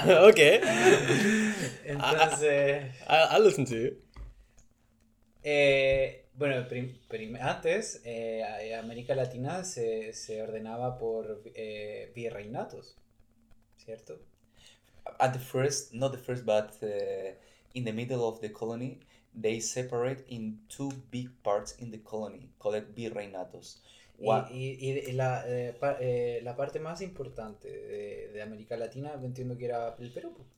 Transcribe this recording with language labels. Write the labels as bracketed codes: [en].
[en] Okay. [es] Entonces, [en] I'll listen to you. [es] Bueno, antes América Latina se ordenaba por virreinatos, ¿cierto? [en] At the first, not the first, but in the middle of the colony, they separate in two big parts in the colony, called virreinatos. [es] Y la parte más importante de América Latina, entiendo que era el Perú.